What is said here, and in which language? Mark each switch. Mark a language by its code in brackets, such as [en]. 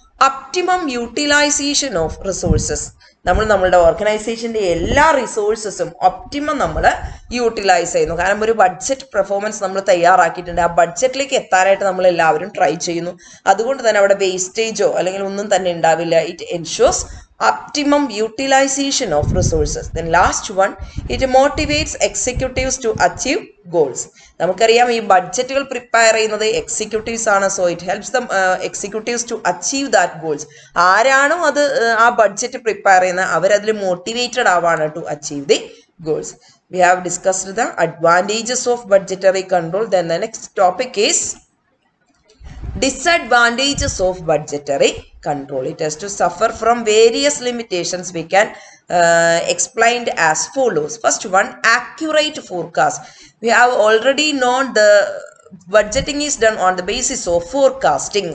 [en] optimum utilization of resources, [ml] നമ്മൾ നമ്മളുടെ ഓർഗനൈസേഷൻ്റെ എല്ലാ റിസോഴ്സസും ഒപ്റ്റിമം നമ്മൾ യൂട്ടിലൈസ് ചെയ്യുന്നു. കാരണം ഒരു ബഡ്ജറ്റ് പെർഫോമൻസ് നമ്മൾ തയ്യാറാക്കിയിട്ടുണ്ട്, ആ ബഡ്ജറ്റിലേക്ക് എത്താനായിട്ട് നമ്മൾ എല്ലാവരും ട്രൈ ചെയ്യുന്നു. അതുകൊണ്ട് തന്നെ അവിടെ വേസ്റ്റേജോ അല്ലെങ്കിൽ ഒന്നും തന്നെ ഉണ്ടാവില്ല. [en] It ensures Optimum utilization of resources. Then last one, it motivates executives to achieve goals. [ml] നമുക്കറിയാം ഈ ബഡ്ജറ്റുകൾ പ്രിപ്പയർ ചെയ്യുന്നത് എക്സിക്യൂട്ടീവ്സ് ആണ്. [en] So it helps them executives to achieve that goals. [ml] ആരാണോ അത് ആ ബഡ്ജറ്റ് പ്രിപ്പയർ ചെയ്യുന്നത് അവരതിൽ motivated ആവാണ് [en] To achieve the goals. We have discussed the advantages of budgetary control. Then the next topic is disadvantages of budgetary control. It has to suffer from various limitations. We can explained as follows. First one, accurate forecast. We have already known the budgeting is done on the basis of forecasting.